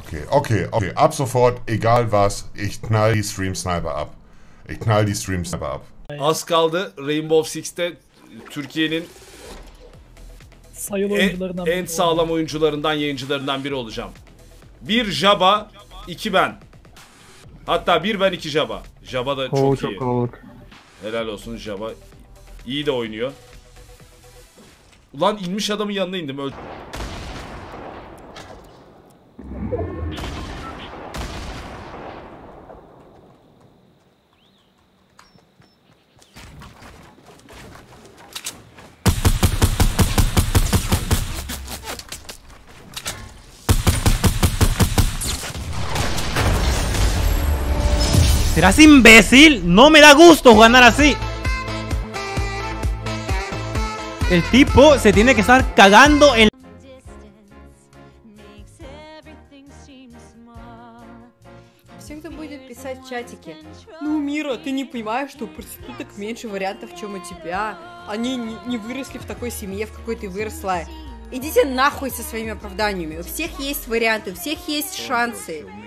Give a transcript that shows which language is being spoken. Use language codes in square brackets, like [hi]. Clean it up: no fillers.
[de] Okay, ab sofort, egal was, ich knall die Stream-Sniper ab. Ich knall die Stream-Sniper ab. [tr] Az kaldı, Rainbow Six'te Türkiye'nin en sağlam oyuncularından, yayıncılarından biri olacağım. Bir Jabba, iki ben. Hatta bir ben, iki Jabba. Jabba da çok, çok iyi. Kalabalık. Helal olsun Jabba. İyi de oynuyor. Ulan inmiş adamın yanına indim. [es] ¡Serás imbécil! ¡No me da gusto jugar así! El tipo se tiene que estar cagando en... [ru] Всем, кто будет писать в чатике. Ну, Мира, ты не понимаешь, что у проституток меньше вариантов, чем у тебя. Они не выросли в такой семье, в какой ты выросла. Идите нахуй со своими оправданиями. У всех есть варианты, у всех есть шансы.